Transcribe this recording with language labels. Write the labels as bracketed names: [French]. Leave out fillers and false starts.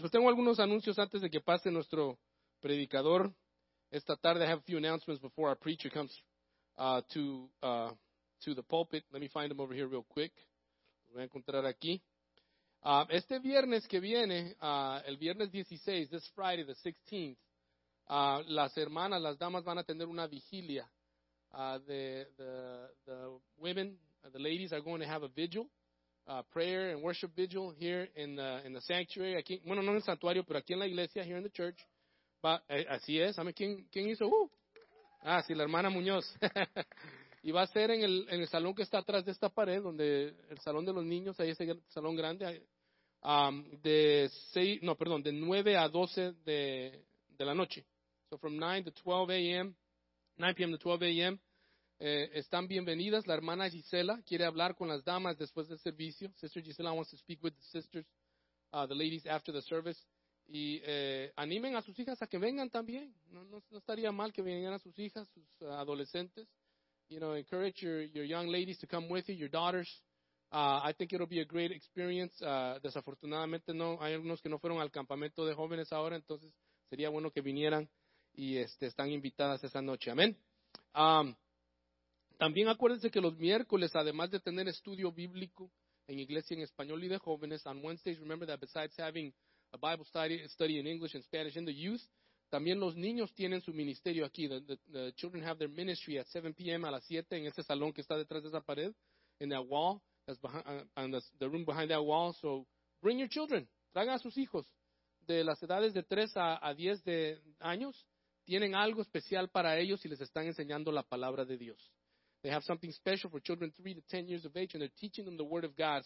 [Spanish] Pues tengo algunos anuncios antes de que pase nuestro predicador. Esta tarde, [English] I have a few announcements before our preacher comes to the pulpit. Let me find him over here real quick. [Spanish] Lo voy a encontrar aquí. Este viernes que viene, el viernes 16, [English] this Friday, the 16th, [Spanish] las hermanas, las damas van a tener una vigilia. [English] The women, the ladies are going to have a vigil, prayer and worship vigil here in the sanctuary. [Spanish] Aquí, bueno, no en el santuario, pero aquí en la iglesia, [English] here in the church. [Spanish] But, así es. [English] I mean, [Spanish] ¿quién hizo? Ah, sí, la hermana Muñoz. Y va a ser en el salón que está atrás de esta pared, donde el salón de los niños, ahí ese salón grande, de 9 a 12 de la noche. [English] So from 9 to 12 a.m., 9 p.m. to 12 a.m., [Spanish] están bienvenidas. La hermana Gisela quiere hablar con las damas después del servicio. [English] Sister Gisela wants to speak with the sisters, the ladies after the service. [Spanish] Y animen a sus hijas a que vengan también. No estaría mal que vinieran a sus hijas, sus adolescentes. [English] You know, encourage your young ladies to come with you, your daughters. I think it'll be a great experience. [Spanish] Desafortunadamente, no hay algunos que no fueron al campamento de jóvenes ahora, entonces sería bueno que vinieran y están invitadas esa noche. Amén. También acuérdense que los miércoles, además de tener estudio bíblico en iglesia en español y de jóvenes, [English] on Wednesdays, remember that besides having a Bible study in English and Spanish in the youth. [Spanish] También los niños tienen su ministerio aquí. [English] The children have their ministry at 7 p.m. [Spanish] a las 7 en ese salón que está detrás de esa pared, [English] in that wall, that's behind, and the room behind that wall. So bring your children. [Spanish] Traigan a sus hijos. De las edades de 3 a 10 de años, tienen algo especial para ellos y les están enseñando la palabra de Dios. [English] They have something special for children 3 to 10 years of age, and they're teaching them the word of God.